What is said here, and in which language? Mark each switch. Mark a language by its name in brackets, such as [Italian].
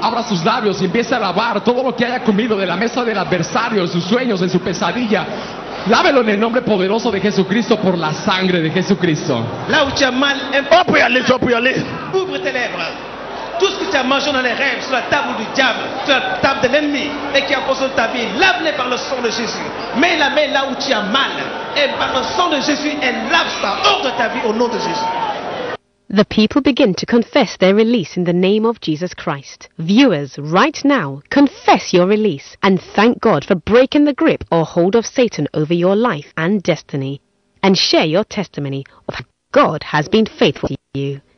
[Spanish] Abra sus labios y empiece a lavar todo lo que haya comido de la mesa del adversario, en sus sueños, en su pesadilla. Lávelo en el nombre poderoso de Jesucristo por la sangre de Jesucristo. [English] Open your lips, open your lips. [French] Ouvre tes lèvres. Tout ce que tu as mangé dans les rêves, sur la table du diable, sur la table de l'ennemi, et qui a poussé ta vie, lave-les par le sang de Jésus. Mets la main là où tu as mal, et par le sang de Jésus, et lave ça hors de ta vie au nom de Jésus. [English] The people begin to confess their release in the name of Jesus Christ. Viewers, right now, confess your release and thank God for breaking the grip or hold of Satan over your life and destiny. And share your testimony of how God has been faithful to you.